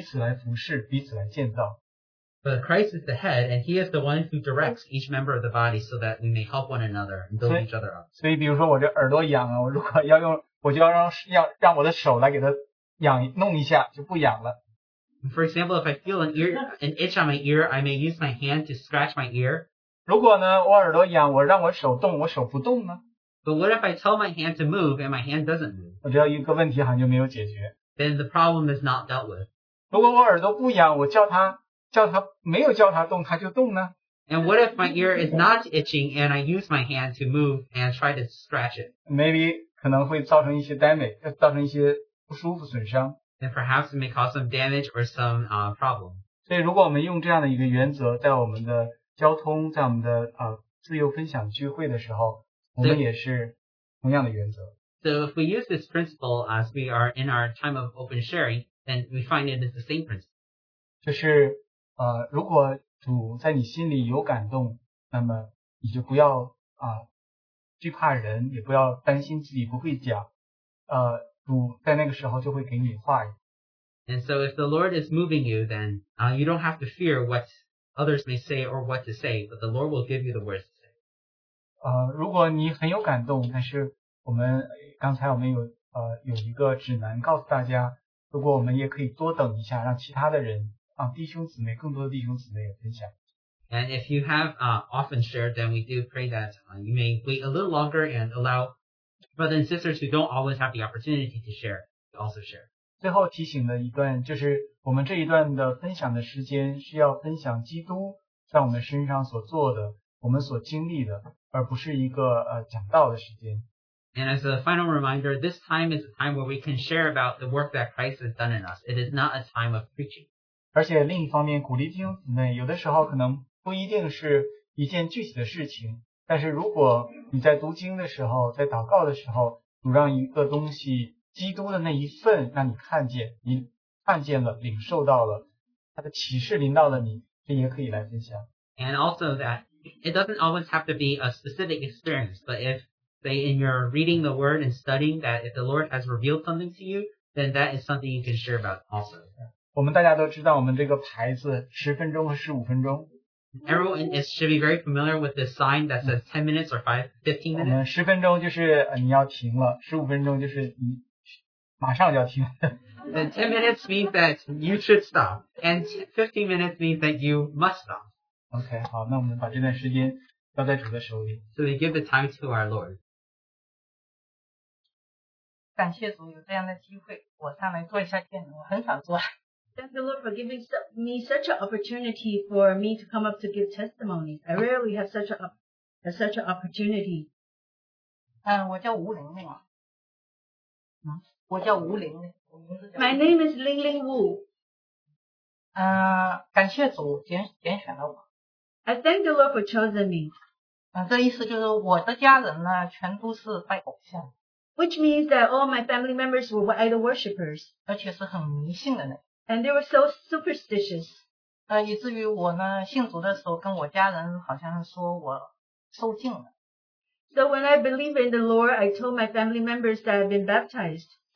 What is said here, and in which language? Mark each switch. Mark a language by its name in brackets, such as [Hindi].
[Chinese] 然后基督是我们的头，他在协调我们整个的身体，再来彼此来服侍，彼此来建造。 [English] But Christ is the head, and He is the one who directs each member of the body so that we may help one another and build each other up. [Chinese] 所以比如说我这耳朵痒啊，我如果要用，我就要让我的手来给它痒弄一下，就不痒了。 [English] For example, if I feel an itch on my ear, I may use my hand to scratch my ear. [Chinese] 如果呢，我耳朵痒，我让我手动，我手不动呢？ [English] But what if I tell my hand to move and my hand doesn't move? [Chinese] 我知道一个问题好像就没有解决。 [English] Then the problem is not dealt with. [Chinese] 如果我耳朵不痒，我叫它。叫他没有叫他动，他就动呢。 [English] And what if my ear is not itching and I use my hand to move and try to scratch it? Maybe [Chinese] 可能会造成一些 damage, 造成一些不舒服损伤。 [English] And perhaps it may cause some damage or some problem. [Chinese] 所以如果我们用这样的一个原则，在我们的交通，在我们的自由分享聚会的时候，我们也是同样的原则。 [English] So if we use this principle as we are in our time of open sharing, then we find it is the same principle. [Chinese] 就是如果主在你心里有感动，那么你就不要惧怕人，也不要担心自己不会讲。主在那个时候就会给你话语。 [English] And so if the Lord is moving you, then you don't have to fear what others may say or what to say, but the Lord will give you the words to say. [Chinese] 如果你很有感动，但是我们刚才我们有一个指南告诉大家，如果我们也可以多等一下，让其他的人。弟兄姊妹，更多的弟兄姊妹也分享。 [English] And if you have often shared, then we do pray that you may wait a little longer and allow brothers and sisters who don't always have the opportunity to share to also share. [Chinese] 最后提醒的一段就是我们这一段的分享的时间是要分享基督在我们身上所做的，我们所经历的，而不是一个讲道的时间。 [English] And as a final reminder, this time is a time where we can share about the work that Christ has done in us. It is not a time of preaching. [Chinese] 而且另一方面鼓励弟兄姊妹有的时候可能不一定是一件具体的事情但是如果你在读经的时候在祷告的时候你让一个东西基督的那一份让你看见你看见了领受到了他的启示临到了你这也可以来分享 [English] And also that it doesn't always have to be a specific experience but if say in your reading the word and studying that if the Lord has revealed something to you then that is something you can share about also [Chinese] 我们大家都知道我们这个牌子十分钟和十五分钟。 [English] Everyone is, should be very familiar with this sign that says 10 minutes or 15 minutes. [Chinese] 十分钟就是你要停了十五分钟就是你马上就要停。 [English] Then 10 minutes means that you should stop, and 15 minutes means that you must stop. [Chinese] OK, 好那我们把这段时间交在主的手里。 [English] So we give the time to our Lord. [Chinese] 感谢主有这样的机会我上来做一下见证我很少做。 [English] Thank the Lord for giving me such an opportunity for me to come up to give testimony. I rarely have such an opportunity. [Chinese] 我叫吴玲玲啊。我叫吴玲玲。 [English] My name is Ling Ling Wu. [Chinese] 感谢主拣选了我。 [English] I thank the Lord for choosing me. [Chinese] 这意思就是我的家人呢全都是拜偶像。 [English] Which means that all my family members were idol worshippers. [Chinese] 而且是很迷信的呢。 [English] And they were so superstitious. [Chinese] 以至于我呢信主的时候跟我家人好像说我受浸了。 [English] So when I believe in the Lord, I told my family members that I've been baptized.